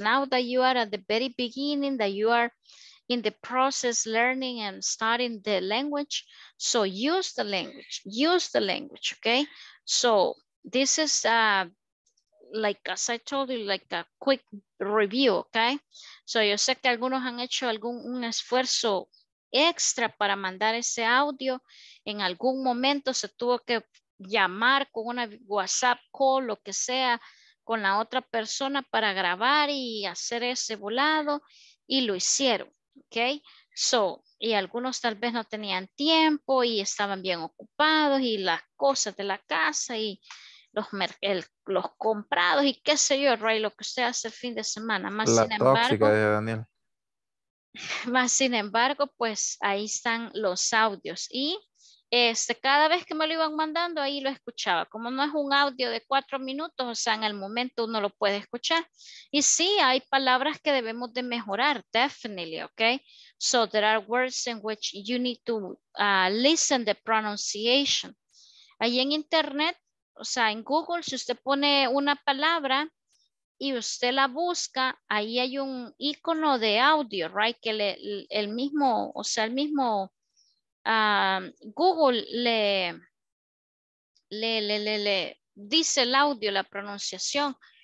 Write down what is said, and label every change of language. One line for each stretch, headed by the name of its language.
English: Now that you are at the very beginning, that you are in the process learning and studying the language, so use the language, okay? So this is like, as I told you, like a quick review, okay?
Spanish: So yo sé que algunos han hecho un esfuerzo extra para mandar ese audio. En algún momento se tuvo que llamar con una WhatsApp call, lo que sea, con la otra persona para grabar y hacer ese volado, y lo hicieron. Okay, so, y algunos tal vez no tenían tiempo y estaban bien ocupados y las cosas de la casa y los comprados y qué sé yo, Ray, lo que usted hace el fin de semana. Más la sin embargo, tóxica de Daniel. Más sin embargo, pues ahí están los audios. Y cada vez que me lo iban mandando, ahí lo escuchaba. Como no es un audio de 4 minutos, o sea, en el momento uno lo puede escuchar. Y sí, hay palabras que debemos de mejorar, definitely, okay?
English: So there are words in which you need to listen the pronunciation.
Spanish: Ahí en internet, o sea, en Google, si usted pone una palabra y usted la busca, ahí hay un icono de audio, right? Que Google le dice el audio, la pronunciación.